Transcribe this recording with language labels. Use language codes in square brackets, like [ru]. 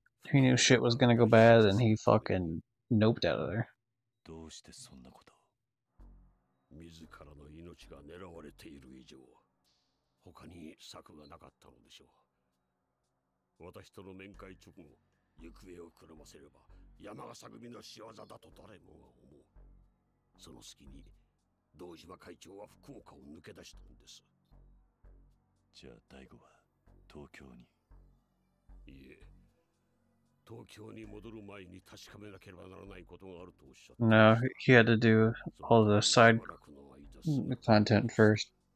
[en] He knew shit was gonna go bad and he fucking noped out of there. [ja] どうしてそんなこと? 自らの命が狙われている以上、他に策がなかったのでしょう。私との面会直後、行方をくらませれば、山笠組の仕業だと誰もが思う。その隙に、堂島会長は福岡を抜け出したんです。じゃあ、大吾は東京に。いえ、東京に戻る前に確かめなければならないことがあるとおっしゃった。 [en] No, he had to do all the side content first.